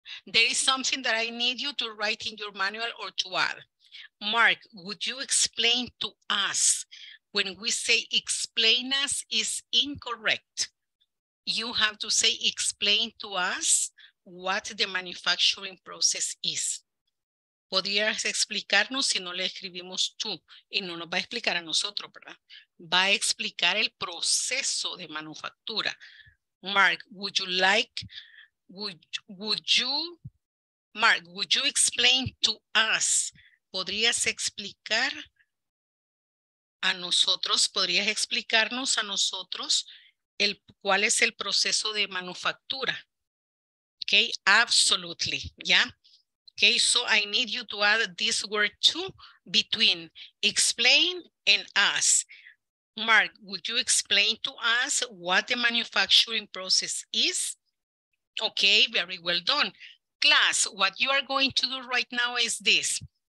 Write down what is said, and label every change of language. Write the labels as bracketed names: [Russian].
[English] There is something that I need you to write in your manual or to add. Mark, would you explain to us, when we say explain us is incorrect, you have to say explain to us what the manufacturing process is. [Spanish] ¿Podrías explicarnos si no le escribimos tú? Y no nos va a explicar a nosotros, ¿verdad? Va a explicar el proceso de manufactura. [English] Mark, would you like, Mark, would you explain to us? [Spanish] ¿Podrías explicar a nosotros, podrías explicarnos a nosotros el, cuál es el proceso de manufactura? [English] Okay, absolutely, yeah. Okay, so I need you to add this word too, between explain and us. Mark, would you explain to us what the manufacturing process is? Okay, very well done. Class, what you are going to do right now is this.